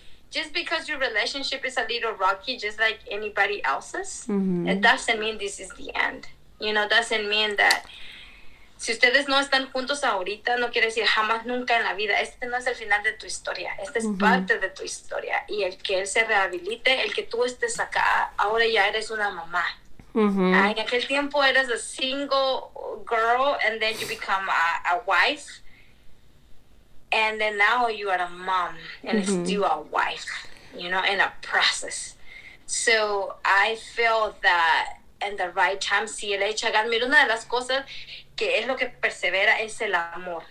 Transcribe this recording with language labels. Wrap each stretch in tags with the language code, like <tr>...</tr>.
<en>Just because your relationship is a little rocky, just like anybody else's, mm-hmm. it doesn't mean this is the end. You know, doesn't mean that.</en> <es>Si ustedes no están juntos ahorita, no quiere decir jamás, nunca en la vida. Este no es el final de tu historia. Este es mm-hmm. parte de tu historia. Y el que él se rehabilite, el que tú estés acá, ahora ya eres una mamá. Mm-hmm.</es> <en>En aquel tiempo eres a single girl and then you become a wife and then now you are a mom and mm-hmm. still a wife, you know, in a process.</en> <es>So I feel that in the right time, si el hecho agar, mira, una de las cosas que es lo que persevera es el amor.</es>